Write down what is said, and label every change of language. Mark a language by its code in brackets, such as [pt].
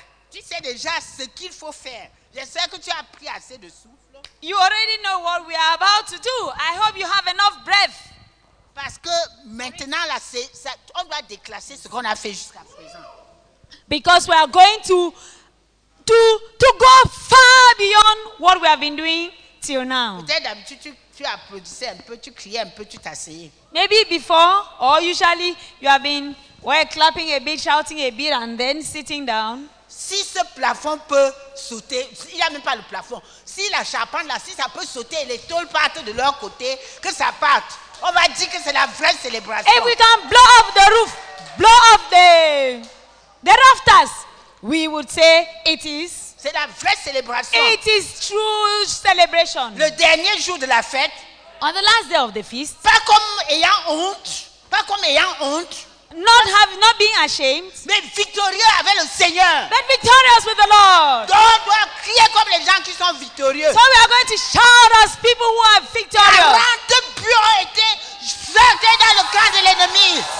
[fr] Tu sais déjà ce qu'il faut faire. J'espère que tu as pris assez de souffle. [en] You already know what we are about to do. I hope you have enough breath. [fr] Parce que maintenant là, on doit déclasser ce qu'on a fait jusqu'à présent. [en] Because we are going to go far beyond what we have been doing till now. [fr] Peut-être d'habitude tu applaudissais un peu, tu criais un peu, tu t'asseyais. [en] Maybe before or usually you have been clapping a bit, shouting a bit, and then sitting down. [fr] Si ce plafond peut sauter, il n'y a même pas le plafond. Si la charpente là, si ça peut sauter, les tôles partent de leur côté, que ça parte. On va dire que c'est la vraie célébration. [en] If we can blow off the roof, blow off the rafters, we would say it is. [fr] C'est la vraie célébration. [en] It is true celebration. [fr] Le dernier jour de la fête. [en] On the last day of the feast. [fr] Pas comme ayant honte. Pas comme ayant honte. [en] Not being ashamed. [fr] Mais victorieux avec le Seigneur. [en] But victorious with the Lord. [fr] Donc, on doit crier comme les gens qui sont victorieux. [en] So we are going to shout as people who are victorious. [fr] 40 pions ont été jetés dans le camp de l'ennemi.